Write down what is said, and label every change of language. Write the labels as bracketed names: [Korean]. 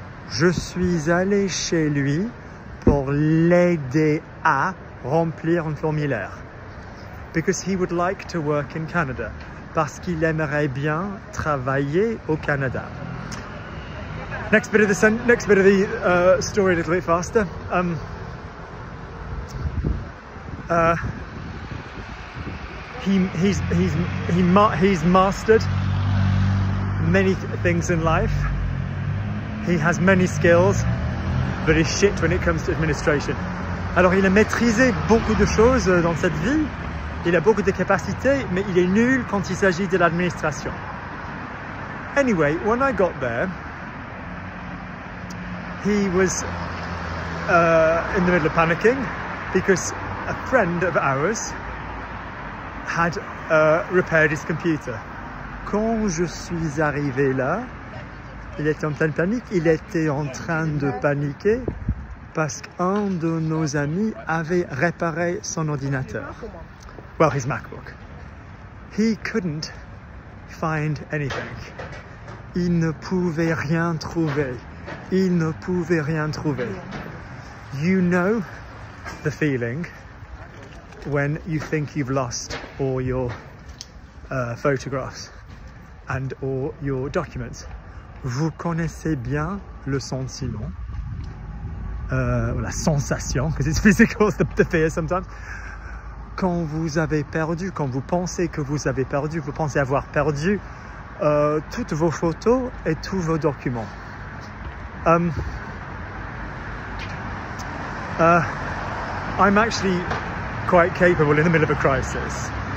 [French] Je suis allé chez lui pour l'aider à remplir un formulaire. [English] Because he would like to work in Canada. [French] Parce qu'il aimerait bien travailler au Canada. [English] Next bit of the story a little bit faster. He's mastered many things in life. He has many skills, but he's shit when it comes to administration. [French] Alors, il a maîtrisé beaucoup de choses dans cette vie. Il a beaucoup de capacités, mais il est nul quand il s'agit de l'administration. [English] Anyway, when I got there, he was in the middle of panicking because a friend of ours had repaired his computer. [French] Quand je suis arrivé là, il était en pleine panique. Il était en train de paniquer parce qu'un de nos amis avait réparé son ordinateur. [English] Well, his MacBook. He couldn't find anything. [French] Il ne pouvait rien trouver. Il ne pouvait rien trouver. [English] You know the feeling when you think you've lost all your photographs and all your documents. [French] Vous connaissez bien le sentiment, la sensation, [English] because it's physical, it's the fear sometimes. [French] Quand vous avez perdu, quand vous pensez que vous avez perdu, vous pensez avoir perdu toutes vos photos et tous vos documents. [English] I'm actually quite capable in the middle of a crisis.